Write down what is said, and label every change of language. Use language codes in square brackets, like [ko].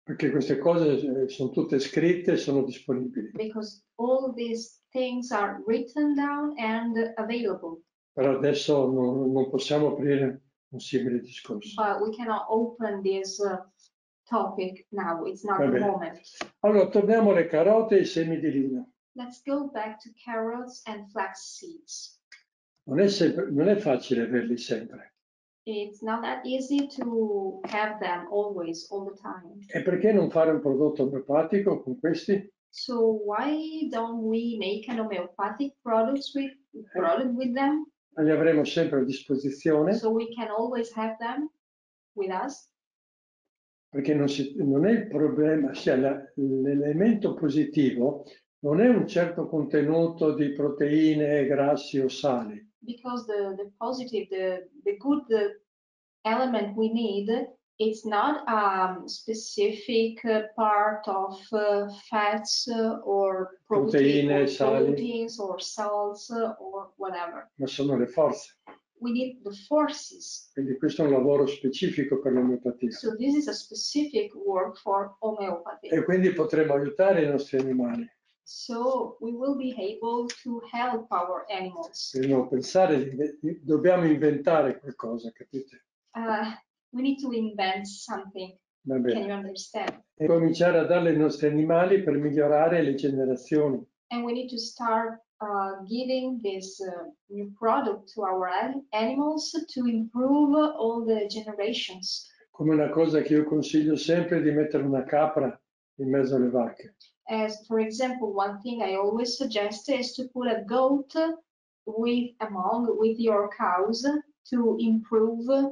[it] Perché queste cose sono tutte scritte e sono disponibili. [en] Because all these things are written down and available. [it] Però adesso non possiamo aprire un simile discorso. [en] But we cannot open this topic now, it's not the moment. [it] Allora, torniamo alle carote e ai semi di lino. [en] Let's go back to carrots and flax seeds. [it] Non è facile averli sempre. [en] It's not that easy to have them always, all the time. [it] E perché non fare un prodotto omeopatico con questi? [en] So why don't we make an homeopathic product with them? [it] Li avremo sempre a disposizione. [en] So we can always have them with us. [it] Perché non è il problema, l'elemento positivo non è un certo contenuto di proteine, grassi o sali. [en] Because the positive, the good element we need, it's not a specific part of fats or proteins or salts or whatever. [it] Ma sono le forze. [en] We need the forces. [it] Quindi questo è un lavoro specifico per l'omeopatia. [en] So this is a specific work for homeopathy. [it] E quindi potremo aiutare i nostri animali. [en] So we will be able to help our animals. [it] Dobbiamo pensare, dobbiamo inventare qualcosa, capite? [en] We need to invent something. [it] Va bene. [en] Can you understand? [it] E cominciare a darle ai nostri animali per migliorare le generazioni. [en] And we need to start giving this new product to our animals to improve all the generations. [it] Come una cosa che io consiglio sempre di mettere una capra in mezzo alle vacche. [en] As for example, one thing I always suggest is to put a goat with your cows to improve,